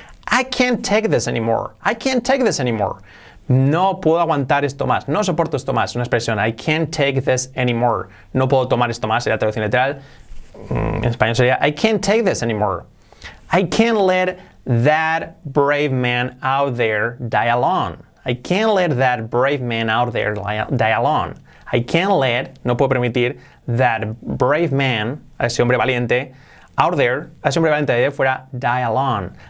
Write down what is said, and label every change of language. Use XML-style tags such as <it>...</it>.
<en>I can't take this anymore, I can't take this anymore.</en> <es>No puedo aguantar esto más, no soporto esto más, una expresión,</es> <en>I can't take this anymore.</en> <es>No puedo tomar esto más, sería traducción literal. En español sería, I can't take this anymore.</es> <en>I can't let that brave man out there die alone. I can't let that brave man out there die alone. I can't let,</en> <es>no puedo permitir,</es> <en>that brave man,</en> <es>ese hombre valiente,</es> <en>out there,</en> <es>ese hombre valiente de fuera,</es> <en>die alone.</en>